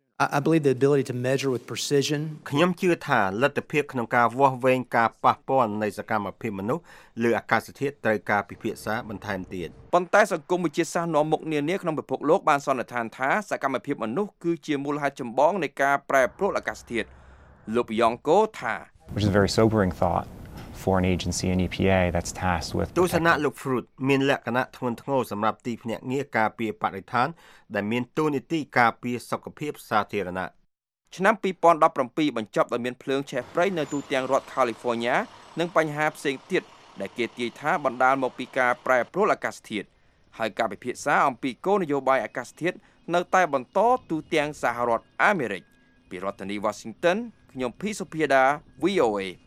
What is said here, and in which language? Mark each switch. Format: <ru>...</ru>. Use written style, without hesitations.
<en>I believe the ability to measure with precision</en> <km>ខ្ញុំជឿថាលទ្ធភាពក្នុងការវាស់វែងការប៉ះពាល់នៃសកម្មភាពមនុស្សឬអាកាសធាតុត្រូវការពិភាក្សាបន្ថែមទៀត ប៉ុន្តែសង្គមវិទ្យាសាស្ត្រនាំមុខនានាក្នុងពិភពលោកបានសន្និដ្ឋានថាសកម្មភាពមនុស្សគឺជាមូលហេតុចម្បងនៃការប្រែប្រួលអាកាសធាតុលោកយ៉ងកូថា</km> <en>Which is a very sobering thought for an agency and EPA that's tasked with</en> <km>ទស្សនៈលោក Fruit មានលក្ខណៈធ្ងន់ធ្ងរសម្រាប់ទីភ្នាក់ងារការពារបរិស្ថានដែលមានទូនីតិការពារសុខភាពសាធារណៈ ឆ្នាំ2017បញ្ចប់ដោយមានភ្លើងឆេះព្រៃនៅទូទាំងរដ្ឋ California និងបញ្ហាផ្សេងទៀតដែលគេទាយថាបណ្ដាលមកពីការប្រែប្រួលអាកាសធាតុហើយការពិភាក្សាអំពីគោលនយោបាយអាកាសធាតុនៅតែបន្តទូទាំងសហរដ្ឋអាមេរិកពីរដ្ឋធានី Washington ខ្ញុំភីសុភាដា VOA</km>